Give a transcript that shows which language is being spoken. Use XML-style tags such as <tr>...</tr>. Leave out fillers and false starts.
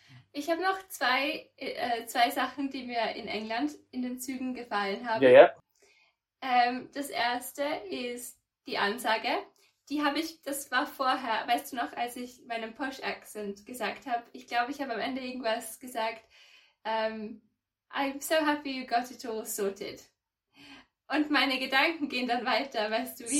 <de>Ich habe noch zwei Sachen, die mir in England in den Zügen gefallen haben. Ja, ja. Das erste ist die Ansage. Die habe ich, das war vorher, weißt du noch, als ich meinen Posh-Accent gesagt habe. Ich glaube, ich habe am Ende irgendwas gesagt.</de> <en>I'm so happy you got it all sorted.</en> <de>Und meine Gedanken gehen dann weiter, weißt du wie?</de>